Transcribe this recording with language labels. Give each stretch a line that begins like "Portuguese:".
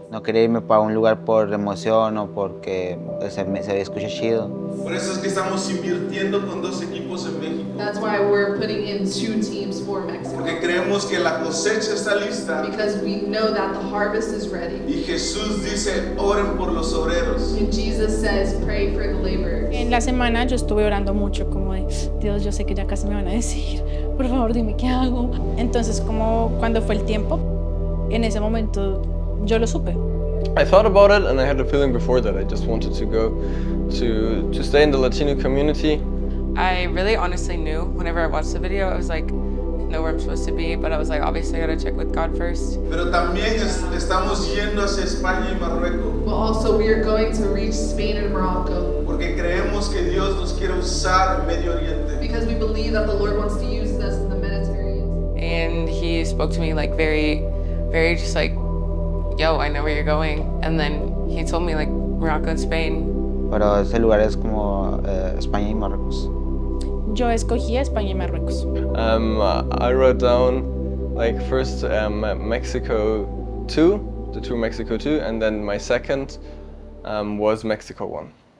Spanish: No quería irme para un lugar por emoción o porque se escucha chido. Por eso es que estamos invirtiendo con dos equipos en México.
English: That's why we're putting in two teams for Mexico.
Spanish: Porque creemos que la cosecha está lista.
English: Because we know that the harvest is ready.
Spanish: Y Jesús dice, oren por los obreros.
English: And Jesus says, pray for the laborers.
Spanish: En la semana yo estuve orando mucho, como de, Dios, yo sé que ya casi me van a decir, por favor, dime qué hago. Entonces, como cuando fue el tiempo, en ese momento, yo lo supe.
English: I thought about it and I had a feeling before that I just wanted to go to stay in the Latino community. I really honestly knew whenever I watched the video, I was like, know where I'm supposed to be, but I was like, obviously I gotta check with God first.
Spanish: Pero también estamos yendo hacia España y Marruecos.
English: But also we are going to reach Spain and Morocco.
Spanish: Porque creemos que Dios nos quiere usar en Medio Oriente.
English: Because we believe that the Lord wants to use us in the Mediterranean. And he spoke to me like very, very just like, yo, I know where you're going. And then he told me like Morocco and Spain.
Spanish: Pero ese lugar es como España y Marruecos. Yo escogí España y Marruecos.
English: I wrote down like first Mexico 2, the two Mexico 2, and then my second was Mexico 1.